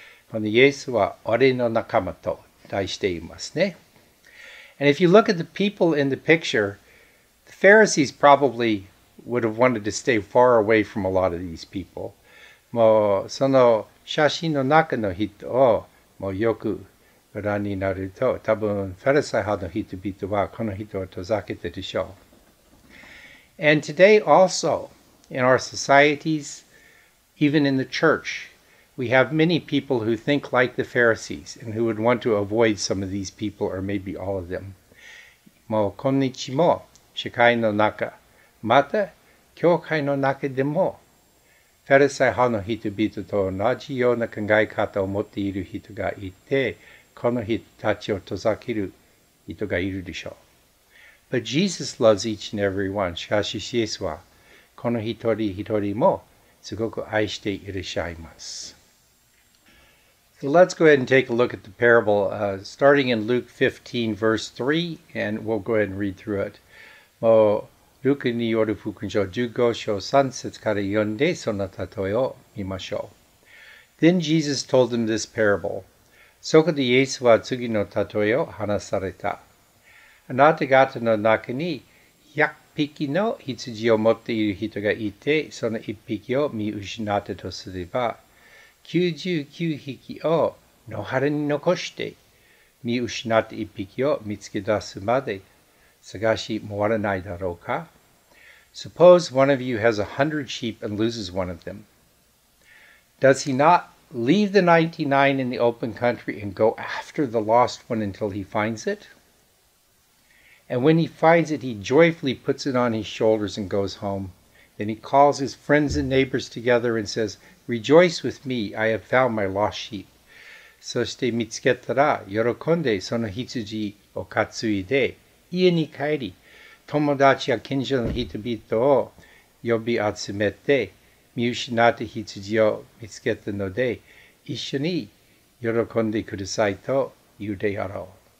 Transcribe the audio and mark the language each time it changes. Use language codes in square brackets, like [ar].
[ja] このイエスは俺の仲間と題していますね。 [en] And if you look at the people in the picture, the Pharisees probably would have wanted to stay far away from a lot of these people. [ja] もうその写真の中の人をもうよくご覧になると多分ファリサイ派の人々はこの人を遠ざけてでしょう。 [en] And today also, in our societies, even in the church, we have many people who think like the Pharisees and who would want to avoid some of these people or maybe all of them. [ja] もう今日も社会の中、また教会の中でもフェルサイ派の人々と同じような考え方を持っている人がいて、この人たちを遠ざける人がいるでしょう。 [en] But Jesus loves each and every one. [ja] しかし、イエスはこの一人一人もすごく愛していらっしゃいます。 [en] So let's go ahead and take a look at the parable, starting in Luke 15, verse 3, and we'll go ahead and read through it. [ja] もうルカによる福音書15章3節から読んでそのたとえを見ましょう。 [en] Then Jesus told them this parable. [ja] そこでイエスは次のたとえを話された。あなた方の中に100匹の羊を持っている人がいて、その1匹を見失ったとすれば、99匹を野原に残して、見失った1匹を見つけ出すまで、探し回らないだろうか? [en] Suppose one of you has 100 sheep and loses one of them. Does he not leave the 99 in the open country and go after the lost one until he finds it? And when he finds it, he joyfully puts it on his shoulders and goes home. Then he calls his friends and neighbors together and says, Rejoice with me, I have found my lost sheep. [ja] そして見つけたら喜んでその羊を担いで家に帰り、友達や近所の人々を呼び集めて、見失った羊を見つけたので、一緒に喜んでくださいと言うであろう。